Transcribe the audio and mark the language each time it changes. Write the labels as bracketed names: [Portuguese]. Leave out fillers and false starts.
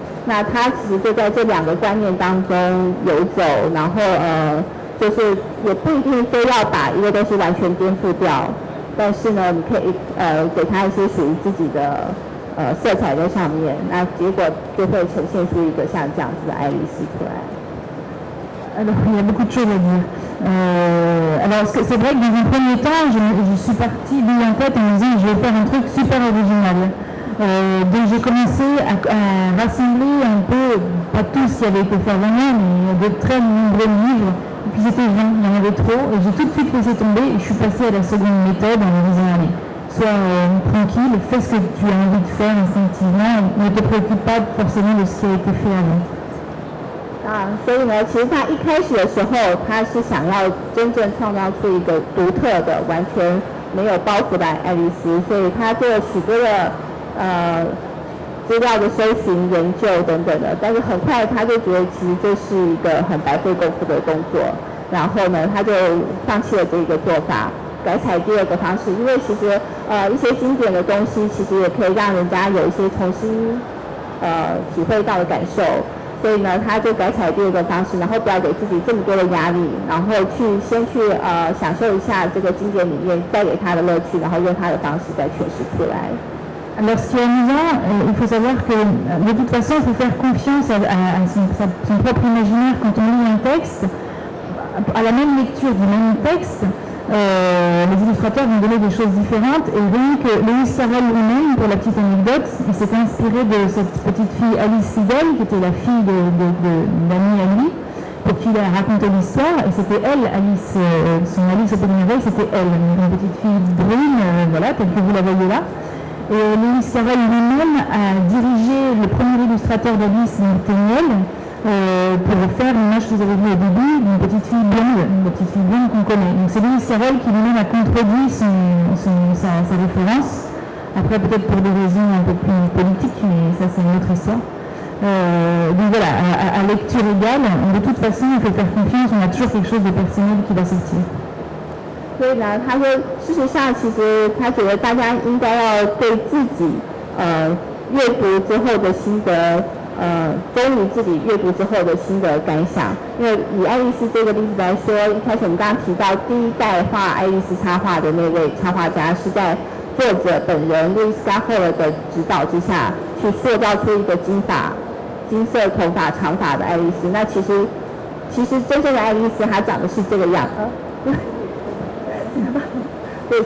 [Chinese] 那它其实就在这两个观念当中游走，然后就是也不一定非要把一个东西完全颠覆掉，但是呢你可以给它一些属于自己的色彩在上面，那结果就会呈现出一个像这样子的爱丽丝出来。 [French] Alors, il y a beaucoup de choses à dire. Alors, c'est vrai que dans un premier temps, je suis partie de l'en tête en me disant que je vais faire un truc super original. Donc, j'ai commencé à rassembler un peu, pas tous qui avaient été faits avant moi, mais de très nombreux livres. Et puis, c'était 20, il y en avait trop. Et j'ai tout de suite laissé tomber et je suis passée à la seconde méthode en me disant, allez, sois tranquille, fais ce que tu as envie de faire instinctivement, ne te préoccupe pas forcément de ce qui a été fait avant. [Chinese] 所以呢，其实他一开始的时候，他是想要真正创造出一个独特的、完全没有包袱的爱丽丝，所以他做了许多的资料的搜寻、研究等等的。但是很快他就觉得，其实这是一个很白费功夫的工作，然后呢，他就放弃了这个做法，改采第二个方式。因为其实一些经典的东西，其实也可以让人家有一些重新体会到的感受。所以呢，他就改采第二个方式，然后不要给自己这么多的压力，然后去先去享受一下这个经典里面带给他的乐趣，然后用他的方式再诠释出来。 [French] Alors, ce qui est amusant, il faut savoir que de toute façon, il faut faire confiance à son propre imaginaire quand on lit un texte. À la même lecture du même texte, les illustrateurs vont donner des choses différentes. Et donc, Lewis Sarrell lui-même, pour la petite anecdote, il s'est inspiré de cette petite fille Alice Siddell, qui était la fille d'amie à lui, pour qui il a raconté l'histoire. Et c'était elle, Alice, son Alice au premier réveil, c'était elle, une petite fille brune, voilà, telle que vous la voyez là. Et Lewis Sarrell lui-même a dirigé le premier illustrateur d'Alice, Nathaniel, pour faire l'image que vous avez vue au début d'une petite fille blonde, une petite fille blonde qu'on connaît. Donc c'est Lewis Sarrell qui lui-même a contredit sa référence. Après, peut-être pour des raisons un peu plus politiques, mais ça, c'est une autre histoire. Donc voilà, à lecture égale, de toute façon, il faut faire confiance, on a toujours quelque chose de personnel qui va sortir. [Chinese] 所以呢，他说，事实上，其实他觉得大家应该要对自己阅读之后的心得。忠于自己阅读之后的心得感想。因为以爱丽丝这个例子来说，一开始我们刚刚提到第一代画爱丽丝插画的那位插画家是在作者本人路易斯·加赫尔的指导之下去塑造出一个金色头发长发的爱丽丝。那其实真正的爱丽丝她长的是这个样子。